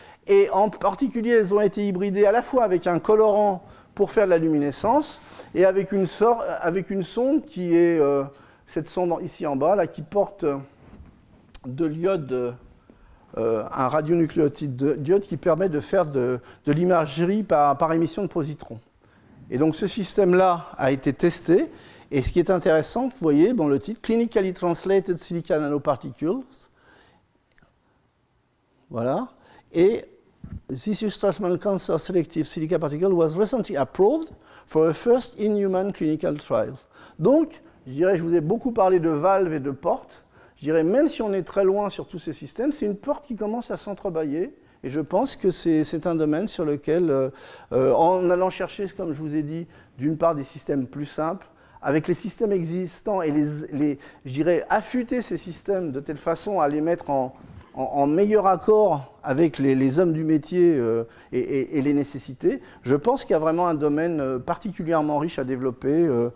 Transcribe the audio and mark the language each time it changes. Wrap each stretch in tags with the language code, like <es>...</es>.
<fr>Et en particulier, elles ont été hybridées à la fois avec un colorant pour faire de la luminescence et avec une sonde qui est cette sonde ici en bas, là, qui porte de l'iode, un radionucléotide d'iode qui permet de faire de l'imagerie par émission de positrons. Et donc ce système-là a été testé. Et ce qui est intéressant, vous voyez, bon, le titre,</fr> <en>Clinically Translated Silica Nanoparticles.</en> <fr>Voilà.</fr> <en>Et this Strassmann Cancer Selective Silica Particle was recently approved for a first in-human clinical trial.</en> <fr>Donc, je dirais, je vous ai beaucoup parlé de valves et de portes. Je dirais, même si on est très loin sur tous ces systèmes, c'est une porte qui commence à s'entrebâiller. Et je pense que c'est un domaine sur lequel, en allant chercher, comme je vous ai dit, d'une part des systèmes plus simples, avec les systèmes existants et je dirais, affûter ces systèmes de telle façon à les mettre en meilleur accord avec les hommes du métier et les nécessités, je pense qu'il y a vraiment un domaine particulièrement riche à développer.</fr>